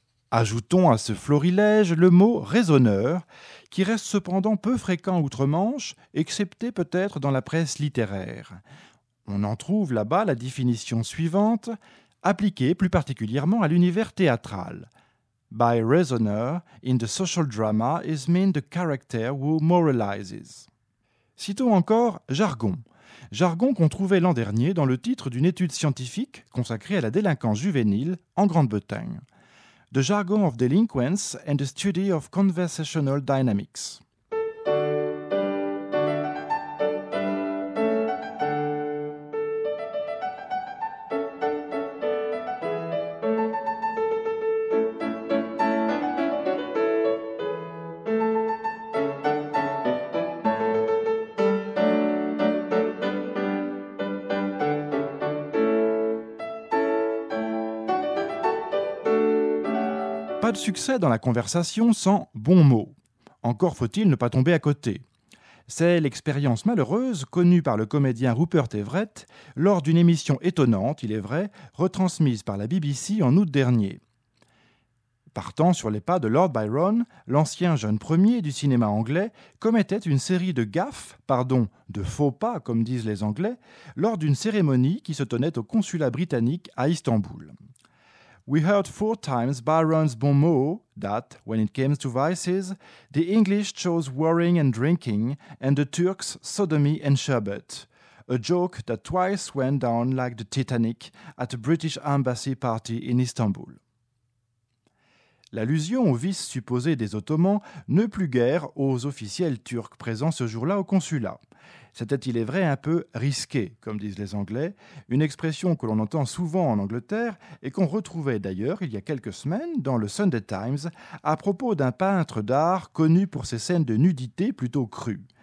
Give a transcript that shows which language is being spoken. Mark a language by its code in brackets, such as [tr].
[fr] Ajoutons à ce florilège le mot raisonneur, qui reste cependant peu fréquent outre-Manche, excepté peut-être dans la presse littéraire. On en trouve là-bas la définition suivante, appliquée plus particulièrement à l'univers théâtral. [en] By reasoner in the social drama is meant the character who moralizes. [fr] Citons encore jargon. Jargon qu'on trouvait l'an dernier dans le titre d'une étude scientifique consacrée à la délinquance juvénile en Grande-Bretagne. [en] The jargon of delinquents and the study of conversational dynamics. [fr] Pas de succès dans la conversation sans bons mots. Encore faut-il ne pas tomber à côté. C'est l'expérience malheureuse connue par le comédien Rupert Everett lors d'une émission étonnante, il est vrai, retransmise par la BBC en août dernier. Partant sur les pas de Lord Byron, l'ancien jeune premier du cinéma anglais commettait une série de gaffes, pardon, de faux pas comme disent les Anglais, lors d'une cérémonie qui se tenait au consulat britannique à Istanbul. [en] We heard four times Byron's bon mot that, when it came to vices, the English chose worrying and drinking, and the Turks sodomy and sherbet. A joke that twice went down like the Titanic at a British embassy party in Istanbul. [fr] L'allusion au vice supposé des Ottomans ne plut guère aux officiels turcs présents ce jour-là au consulat. C'était, il est vrai, un peu « risqué », comme disent les Anglais, une expression que l'on entend souvent en Angleterre et qu'on retrouvait d'ailleurs il y a quelques semaines dans le Sunday Times à propos d'un peintre d'art connu pour ses scènes de nudité plutôt crues.